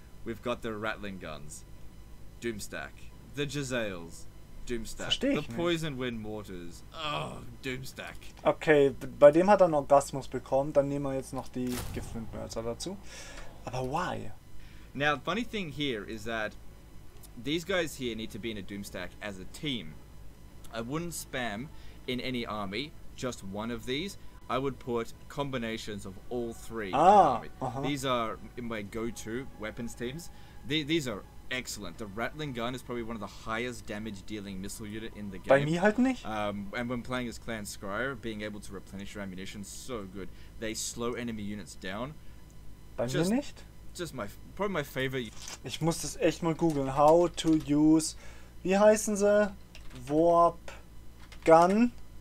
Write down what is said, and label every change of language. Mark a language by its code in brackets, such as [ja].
[en] We've got the rattling guns. Doomstack. The Jazails. Doomstack. [de] Versteh ich [en] the Poison Wind Mortars. Oh, Doomstack. [de] Okay, bei dem hat er einen Orgasmus bekommen. Dann nehmen wir jetzt noch die Giftwindmörser dazu. Aber [en] why? Now, the funny thing here is that these guys here need to be in a Doomstack as a team. I wouldn't spam in any army just one of these. I would put combinations of all three. Ah, uh-huh. These are in my go-to weapons teams. These are excellent. The Rattling Gun is probably one of the highest damage dealing missile unit in the game. [de] Bei mir halt nicht. [en] And when playing as Clan Scryer, being able to replenish your ammunition, so good. They slow enemy units down. [de] Bei mir nicht? [en] Just my, probably my favorite. [de] Ich muss das echt mal googeln. [en] How to use, [de] wie heißen sie? [en] Warp Gun.